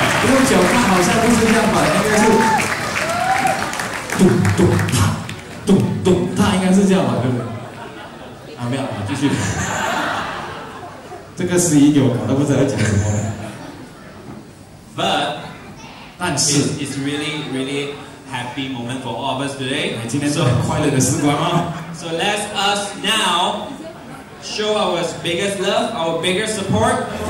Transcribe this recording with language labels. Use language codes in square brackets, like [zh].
[zh] 用脚踏好像不是这样吧，应该是咚咚踏，咚咚踏应该是这样吧，对不对？啊，没有，继续。这个十一点我搞得不知道在讲什么。 [en] But [zh] 但是 [en] it's really really happy moment for all of us today. [zh] 今天是很快乐的时光啊。 [en] So let us now show our biggest love, our biggest support.